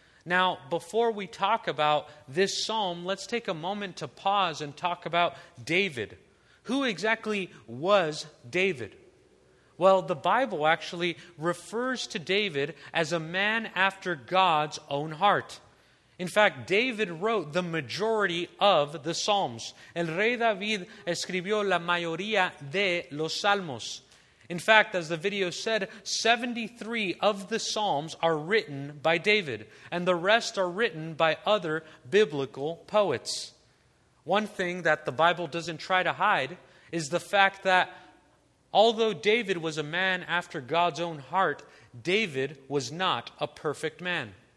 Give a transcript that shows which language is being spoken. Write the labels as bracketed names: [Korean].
[English] Now, before we talk about this psalm, let's take a moment to pause and talk about David. Who exactly was David? Well, the Bible actually refers to David as a man after God's own heart. In fact, David wrote the majority of the Psalms. [Spanish] El rey David escribió la mayoría de los Salmos. [English] In fact, as the video said, 73 of the Psalms are written by David, and the rest are written by other biblical poets. One thing that the Bible doesn't try to hide is the fact that although David was a man after God's own heart, David was not a perfect man.